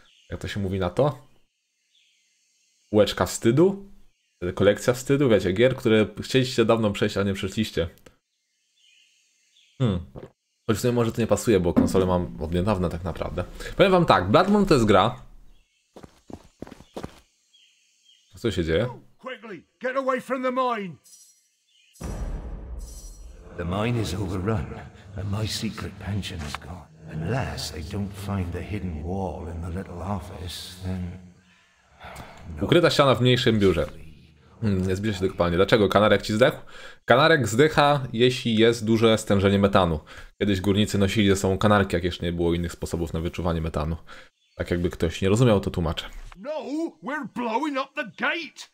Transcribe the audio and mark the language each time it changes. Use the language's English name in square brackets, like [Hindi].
[Polish] jak to się mówi na to? Łeczka wstydu? Kolekcja wstydu? Wiecie, gier, które chcieliście dawno przejść, a nie przeszliście. Choć w sumie może to nie pasuje, bo konsolę mam od niedawna tak naprawdę. Powiem wam tak, Bloodborne to jest gra. Co się dzieje? [English] Quickly, get away from the mine. The mine is overrun and my secret pension is gone. Unless they don't find the hidden wall in the little office, then... [Polish] Ukryta ściana w mniejszym biurze. Nie zbliża się do kopalni. Dlaczego? Kanarek ci zdechł? Kanarek zdycha, jeśli jest duże stężenie metanu. Kiedyś górnicy nosili ze sobą kanarki, jak jeszcze nie było innych sposobów na wyczuwanie metanu. Tak jakby ktoś nie rozumiał, to tłumaczę. [English] No, we're blowing up the gate!